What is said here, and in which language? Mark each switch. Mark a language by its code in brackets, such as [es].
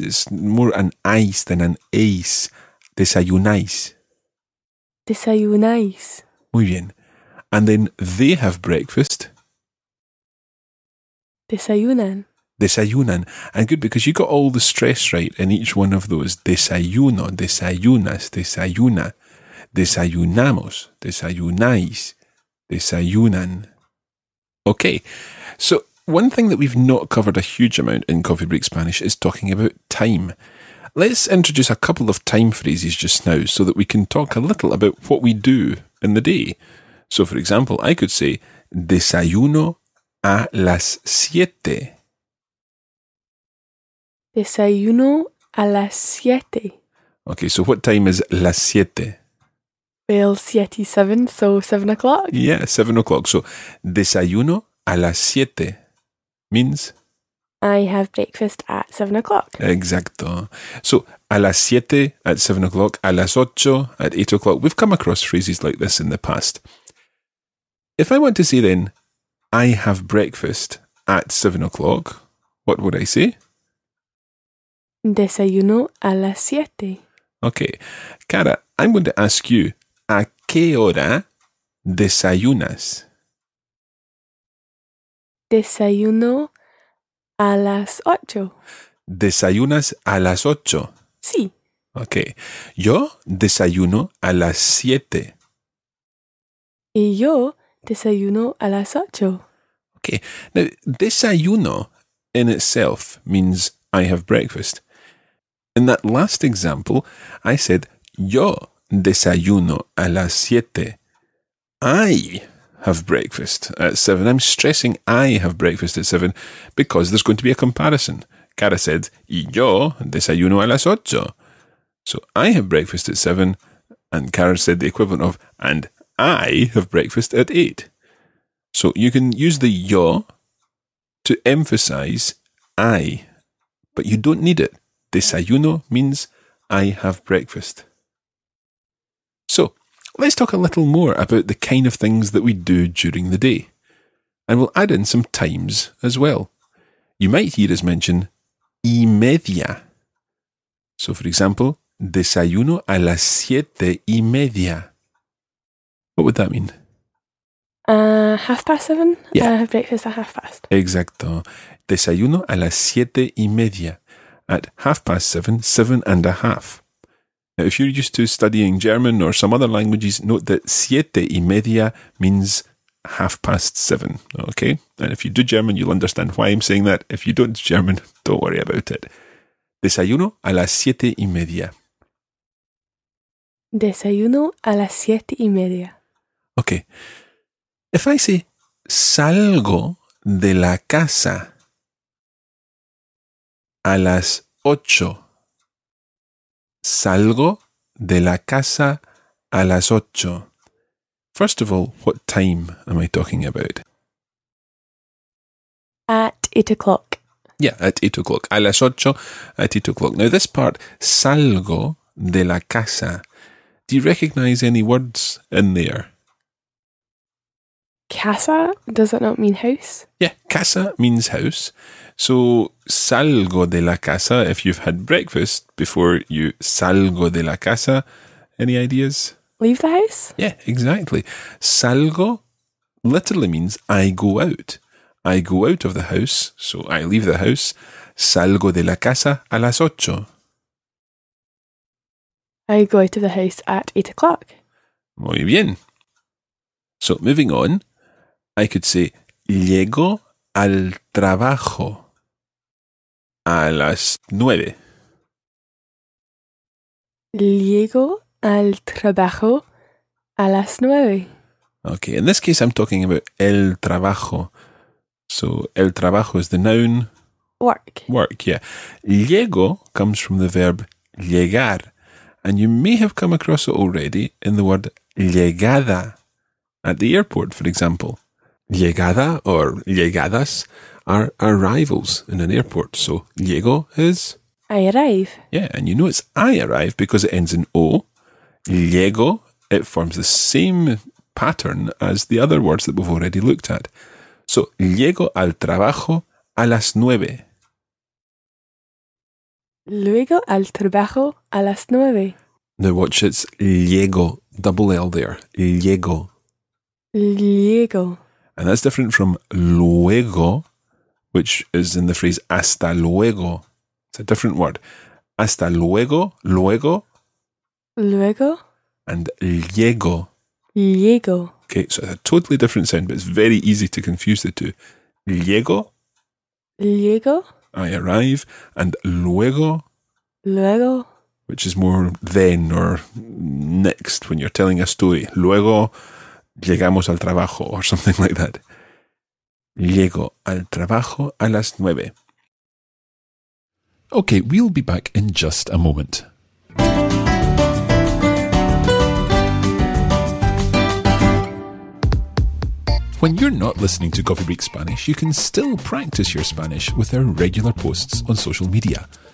[en] It's more an ais than an ace. [es] Desayunáis. Desayunáis. Muy bien. [en] And then they have breakfast. [es] Desayunan. Desayunan. [en] And good, because you got all the stress right in each one of those. [es] Desayuno, desayunas, desayuna, desayunamos, desayunáis, desayunan. [en] Okay, so one thing that we've not covered a huge amount in Coffee Break Spanish is talking about time. Let's introduce a couple of time phrases just now so that we can talk a little about what we do in the day. So, for example, I could say, [es] desayuno a las siete. Desayuno a las siete. [en] Okay, so what time is las siete? Well, siete is seven, so 7 o'clock. Yeah, 7 o'clock. So, [es] desayuno a las siete [en] means? I have breakfast at 7 o'clock. [es] Exacto. [en] So, [es] a las siete [en] at 7 o'clock, [es] a las ocho [en] at 8 o'clock. We've come across phrases like this in the past. If I want to say then, I have breakfast at 7 o'clock, what would I say? [es] Desayuno a las siete. [en] Okay. Cara, I'm going to ask you, [es] ¿a qué hora desayunas? Desayuno a las ocho. ¿Desayunas a las ocho? Sí. Okay. Yo desayuno a las siete. Y yo desayuno a las ocho. [en] Okay. Now, desayuno in itself means I have breakfast. In that last example, I said, [es] yo desayuno a las siete. [en] I have breakfast at seven. I'm stressing I have breakfast at seven because there's going to be a comparison. Cara said, [es] y yo desayuno a las ocho. [en] So I have breakfast at seven. And Cara said the equivalent of, and I have breakfast at eight. So you can use the yo to emphasize I, but you don't need it. Desayuno means I have breakfast. So, let's talk a little more about the kind of things that we do during the day. And we'll add in some times as well. You might hear us mention y media. So, for example, [es] desayuno a las siete y media. [en] What would that mean? Half past seven. Yeah. I have breakfast at half past. [es] Exacto. Desayuno a las siete y media. [en] At half past seven, seven and a half. Now, if you're used to studying German or some other languages, note that [es] siete y media [en] means half past seven, okay? And if you do German, you'll understand why I'm saying that. If you don't do German, don't worry about it. [es] Desayuno a las siete y media. Desayuno a las siete y media. [en] Okay. If I say [es] salgo de la casa a las ocho. Salgo de la casa a las ocho. [en] First of all, what time am I talking about? At 8 o'clock. Yeah, at 8 o'clock. [es] A las ocho, [en] at 8 o'clock. Now this part, [es] salgo de la casa. [en] Do you recognize any words in there? Casa, does that not mean house? Yeah, casa means house. So, [es] salgo de la casa, [en] if you've had breakfast before you salgo de la casa, any ideas? Leave the house? Yeah, exactly. Salgo literally means I go out. I go out of the house, so I leave the house. [es] Salgo de la casa a las ocho. [en] I go out of the house at 8 o'clock. [es] Muy bien. [en] So, moving on, I could say, [es] llego al trabajo a las nueve. Llego al trabajo a las nueve. [en] Okay, in this case I'm talking about el trabajo. So, el trabajo is the noun. Work. Work, yeah. Llego comes from the verb llegar. And you may have come across it already in the word llegada at the airport, for example. Llegada or llegadas are arrivals in an airport. So, llego is... I arrive. Yeah, and you know it's I arrive because it ends in O. Llego, it forms the same pattern as the other words that we've already looked at. [es] So, llego al trabajo a las nueve. Luego al trabajo a las nueve. [en] Now watch, it's llego, double L there, llego. [es] Llego. [en] And that's different from luego, which is in the phrase hasta luego. It's a different word. [es] Hasta luego, luego. Luego. [en] And llego. [es] Llego. [en] Okay, so it's a totally different sound, but it's very easy to confuse the two. [es] Llego. Llego. [en] I arrive, and luego, [es] luego, [en] which is more then or next when you're telling a story. [es] Luego llegamos al trabajo [en] or something like that. [es] Llego al trabajo a las nueve. [en] Okay, we'll be back in just a moment. When you're not listening to Coffee Break Spanish, you can still practice your Spanish with our regular posts on social media.